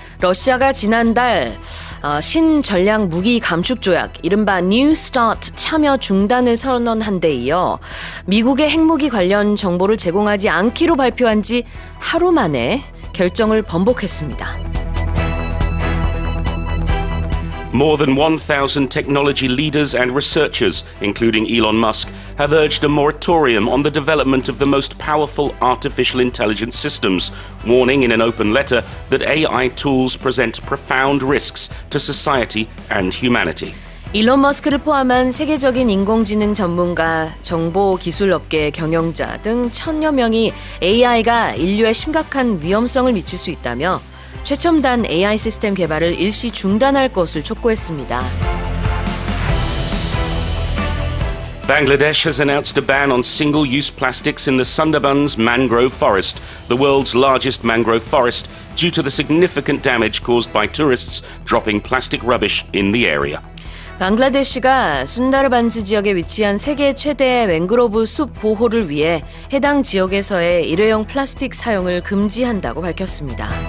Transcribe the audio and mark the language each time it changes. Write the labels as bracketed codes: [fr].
[ko] 러시아가 지난달 신전략 무기 감축 조약, 이른바 New START 참여 중단을 선언한 데 이어 미국의 핵무기 관련 정보를 제공하지 않기로 발표한 지 하루 만에 결정을 번복했습니다. [en] More than 1,000 technology leaders and researchers, including Elon Musk, have urged a moratorium on the development of the most powerful artificial intelligence systems, warning in an open letter that AI tools present profound risks to society and humanity. [ko] 일론 머스크를 포함한 세계적인 인공지능 전문가, 정보 기술 업계 경영자 등 천여 명이 AI가 인류에 심각한 위험성을 미칠 수 있다며 최첨단 AI 시스템 개발을 일시 중단할 것을 촉구했습니다. [en] Bangladesh has announced a ban on single-use plastics in the Sundarbans mangrove forest, the world's largest mangrove forest, due to the significant damage caused by tourists dropping plastic rubbish in the area. [ko] 방글라데시가 순다르반즈 지역에 위치한 세계 최대의 맹그로브 숲 보호를 위해 해당 지역에서의 일회용 플라스틱 사용을 금지한다고 밝혔습니다.